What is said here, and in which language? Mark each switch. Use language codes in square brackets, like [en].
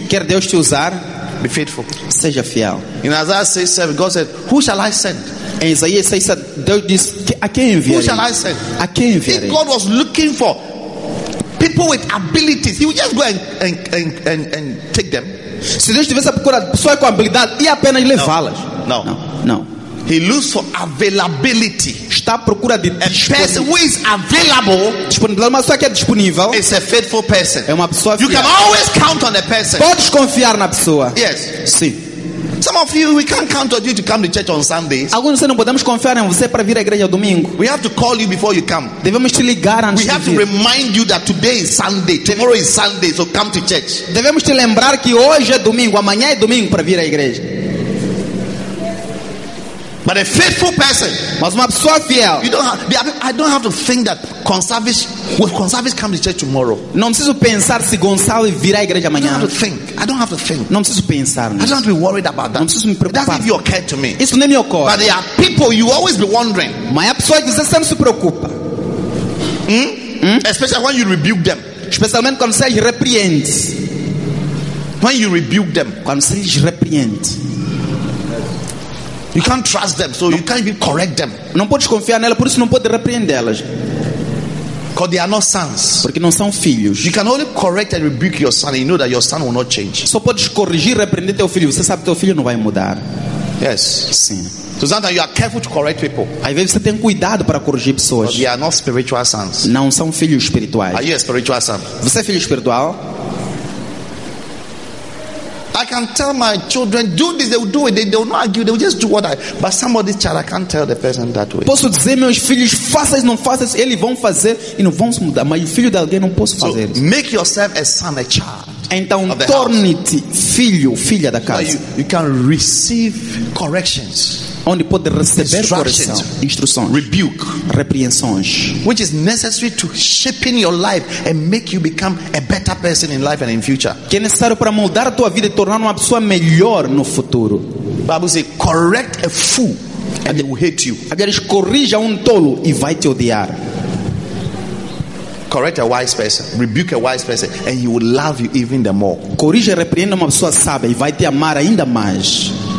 [pt] Quer Deus te usar? [en] Be faithful. [pt] Seja fiel. [en] In Isaiah 6:7, God said, "Who shall I send?" [pt] Em Isaías 6:7, Deus disse, "A quem enviarei?" [en] Who shall I send? [pt] A quem enviarei? [en] If God was looking for people with abilities, He would just go and take them. [pt] Se Deus tivesse procurado pessoas com habilidade, ia apenas levá-las. [en] No. [pt] Não. [en] He looks for availability. [pt] Está à procura de [en] a person who is available. [pt] Disponível, uma pessoa que é disponível. [en] It's a faithful person. [pt] É uma pessoa. [en] You [pt] fiel. [en] Can always count on a person. [pt] Podes confiar na pessoa. [en] Yes. [pt] Sim. [en] Some of you, we can't count on you to come to church on Sundays. [pt] Alguns de vocês não podemos confiar em você para vir à igreja domingo. [en] We have to call you before you come. [pt] Devemos te ligar antes. [en] We have to remind you that today is Sunday, tomorrow is Sunday, so come to church. [pt] Devemos te lembrar que hoje é domingo, amanhã é domingo para vir à igreja. [en] But a faithful person. [pt] Mas uma pessoa fiel. [en] You don't have, I don't have to think that Gonçalves, will Gonçalves come to church tomorrow? [pt] Não preciso pensar se Gonçalves virá à igreja amanhã. [en] I don't have to think. [pt] Não preciso pensar. [en] I don't have to be worried about that. [pt] Não preciso me preocupar. [en] It doesn't even occur to me. [pt] Isso nem me ocorre. [en] But there are people you always be wondering. [pt] Mas a pessoa que você sempre se preocupa. [en] Especially when you rebuke them. [pt] Especialmente quando você repreende. [en] When you rebuke them. [pt] Quando você repreende. [en] You can't trust them, so you can't even correct them. [pt] Não podes confiar nela, por isso não podes repreendê-las. [en] Because they are not sons. [pt] Porque não são filhos. [en] You can only correct and rebuke your son, and you know that your son will not change. [pt] Só podes corrigir e repreender teu filho. Você sabe que teu filho não vai mudar. [en] Yes. [pt] Sim. [en] So sometimes you are careful to correct people. [pt] Às vezes você tem cuidado para corrigir pessoas. [en] Because they are not spiritual sons. [pt] Não são filhos espirituais. [en] Are you a spiritual son? [pt] Você é filho espiritual? [en] I can tell my children, do this, they will do it. They will not argue, they will just do what I... But somebody's child, I can't tell the person that way. [pt] Posso dizer, meus filhos, faça isso, não faça isso. Eles vão fazer e não vão se mudar. Mas o filho de alguém, não posso fazer [en] isso. Make yourself a son, a child. [pt] Então, torne-te filho, filha da casa. [en] So you can receive corrections. [pt] Onde pode receber correção, instruções, [en] rebuke, [pt] repreensões, [en] which is necessary to shape your life and make you become a better person in life and in future. [pt] Que é necessário para moldar a tua vida e tornar uma pessoa melhor no futuro. [en] Bible says, correct a fool. and they will hate you. [pt] Aliás, corrija tolo e vai te odiar. [en] Correct a wise person, rebuke a wise person, and he will love you even the more. [pt] Corrija, repreenda uma pessoa sábia e vai te amar ainda mais.